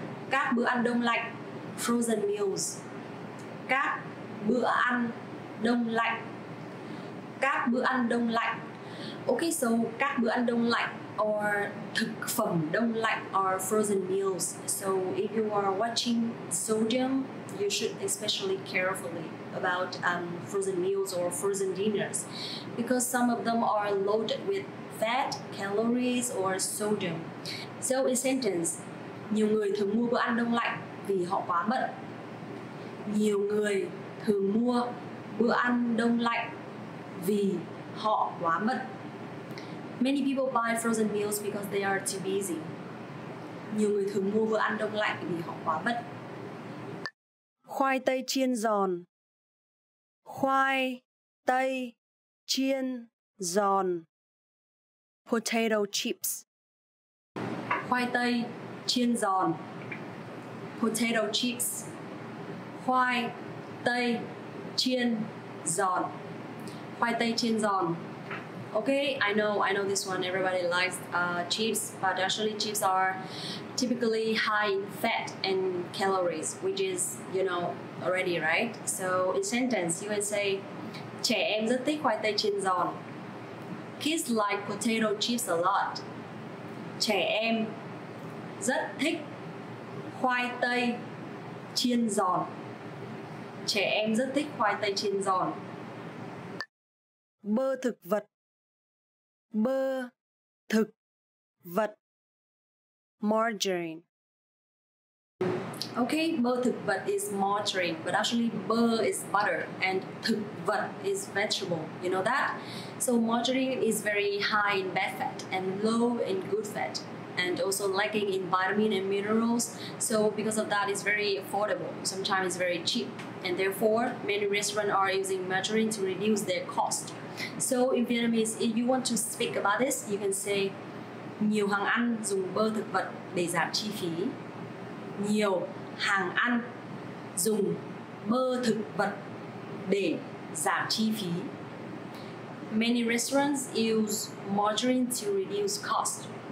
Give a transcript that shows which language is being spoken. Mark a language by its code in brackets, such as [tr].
[vi] Các bữa ăn đông lạnh. Frozen meals. Các bữa ăn đông lạnh. Các bữa ăn đông lạnh. [en] Okay, so các bữa ăn đông lạnh or thực phẩm đông lạnh are frozen meals. So if you are watching sodium, you should especially carefully about frozen meals or frozen dinners, because some of them are loaded with fat, calories or sodium. So in sentence, [vi] nhiều người thường mua bữa ăn đông lạnh vì họ quá bận. Nhiều người thường mua bữa ăn đông lạnh vì họ quá bận. [en] Many people buy frozen meals because they are too busy. [vi] Nhiều người thường mua bữa ăn đông lạnh vì họ quá bận. Khoai tây chiên giòn. Khoai tây chiên giòn. [en] Potato chips. [vi] Khoai tây chiên giòn. Potato chips. Khoai tây chiên giòn. Khoai tây chiên giòn. [en] Okay, I know this one. Everybody likes chips, but actually chips are typically high in fat and calories, which is, you know, already, right? So in sentence, you can say, [vi] trẻ em rất thích khoai tây chiên giòn. [en] Kids like potato chips a lot. [vi] Trẻ em rất thích khoai tây chiên giòn. Trẻ em rất thích khoai tây chiên giòn. Bơ thực vật. Bơ thực vật. Margarine. [en] Okay, bơ thực vật is margarine, but actually bơ is butter and thực vật is vegetable, you know that? So margarine is very high in bad fat and low in good fat and also lacking in vitamin and minerals. So because of that, it's very affordable, sometimes it's very cheap, and therefore many restaurants are using margarine to reduce their cost. So in Vietnamese, if you want to speak about this, you can say [vi] nhiều hàng ăn dùng bơ thực vật để giảm chi phí. Nhiều hàng ăn dùng bơ thực vật để giảm chi phí. [en] Many restaurants use margarine to reduce cost.